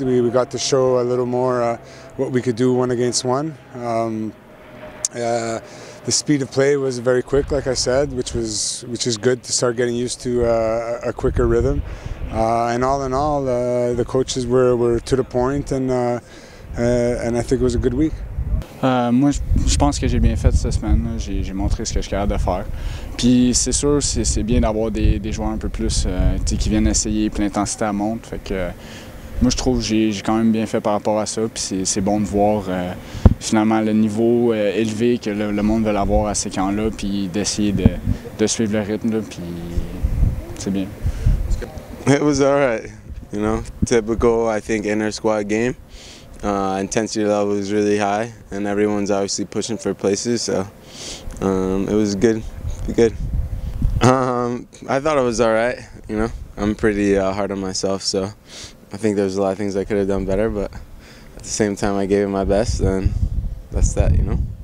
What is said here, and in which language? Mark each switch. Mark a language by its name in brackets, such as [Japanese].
[English] We got to show a little more what we could do one against one. The speed of play was very quick, like I said, which is good to start getting used to a quicker rhythm. And all in all, the coaches were to the point, and I think it was a good week. [French] Moi, je pense que j'ai bien fait cette semaine. J'ai montré ce que je suis capable de faire. Puis c'est sûr, c'est bien d'avoir des joueurs un peu plus qui viennent essayer, puis l'intensité monte. Fait que moi, je trouve que j'ai quand même bien fait par rapport à ça. Puis c'est bon de voir finalement le niveau élevé que le monde veut avoir à ces camps-là, puis d'essayer de suivre le rythme. Là, puis c'est bien. [English] It was all right, you know, typical, I think, inner squad game. Intensity level was really high, and everyone's obviously pushing for places, so it was good. I thought it was all right, you know. I'm pretty hard on myself, so I think there's a lot of things I could have done better, but at the same time, I gave it my best, and that's that, you know.